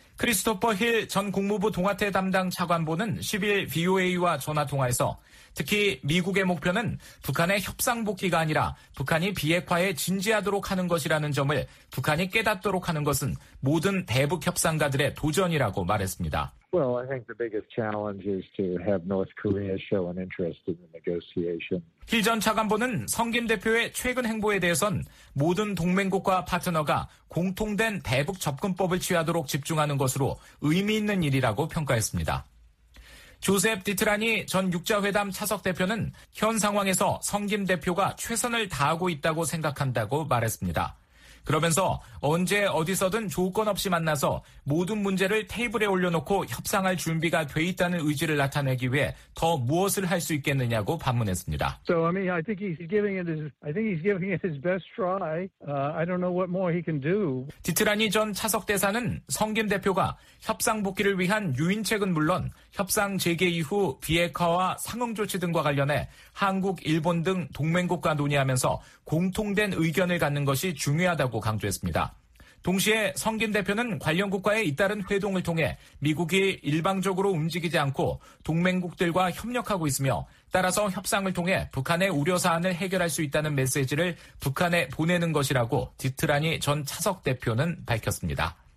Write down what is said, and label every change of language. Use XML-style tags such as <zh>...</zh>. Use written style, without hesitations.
<ko>크리스토퍼 힐 전 국무부 동아태 담당 차관보는 10일 VOA와 전화통화에서 특히 미국의 목표는 북한의 협상 복귀가 아니라 북한이 비핵화에 진지하도록 하는 것이라는 점을 북한이 깨닫도록 하는 것은 모든 대북 협상가들의 도전이라고 말했습니다.</ko> <en>Well, I think the biggest challenge is to have North Korea show an interest in the negotiation.</en> <ko>힐 전 차관보는 성김 대표의 최근 행보에 대해선 모든 동맹국과 파트너가 공통된 대북 접근법을 취하도록 집중하는 것으로 의미 있는 일이라고 평가했습니다. 조셉 디트라니 전 육자회담 차석 대표는 현 상황에서 성김 대표가 최선을 다하고 있다고 생각한다고 말했습니다. 그러면서 언제 어디서든 조건 없이 만나서 모든 문제를 테이블에 올려놓고 협상할 준비가 돼 있다는 의지를 나타내기 위해 더 무엇을 할 수 있겠느냐고 반문했습니다.</ko> <en>So I mean, I think he's giving it his, I think he's giving it his best try. I don't know what more he can do.</en> <ko>디트라니 전 차석 대사는 성김 대표가 협상 복귀를 위한 유인책은 물론 협상 재개 이후 비핵화와 상응 조치 등과 관련해 한국, 일본 등 동맹국과 논의하면서 공통된 의견을 갖는 것이 중요하다고 강조했습니다. 동시에 성김 대표는 관련 국가의 잇따른 회동을 통해 미국이 일방적으로 움직이지 않고 동맹국들과 협력하고 있으며 따라서 협상을 통해 북한의 우려사안을 해결할 수 있다는 메시지를 북한에 보내는 것이라고 디트라니 전 차석 대표는 밝혔습니다.</ko>